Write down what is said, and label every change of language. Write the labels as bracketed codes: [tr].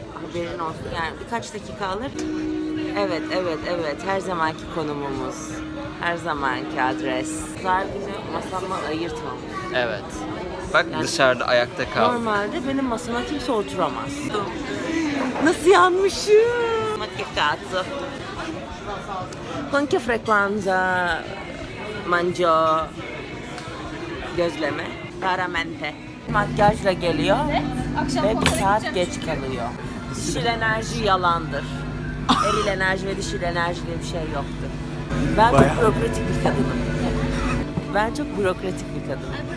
[tr] Haberin olsun, yani birkaç dakika alır. Evet, evet, evet, her zamanki konumumuz. Her zamanki adres. Zar günü masamı ayırtmam. Evet. Bak yani, dışarıda ayakta kal. Normalde benim masama kimse oturamaz. Nasıl yanmışım? Macchiato. [it] Con che frequenza mangio gözleme? Raramente. [tr] Makyajla geliyor ve bir saat geç kalıyor. Dişil enerji yalandır. Eril enerji ve dişil enerji diye bir şey yoktu. Ben bayağı çok bürokratik bir kadınım. Ben çok bürokratik bir kadınım.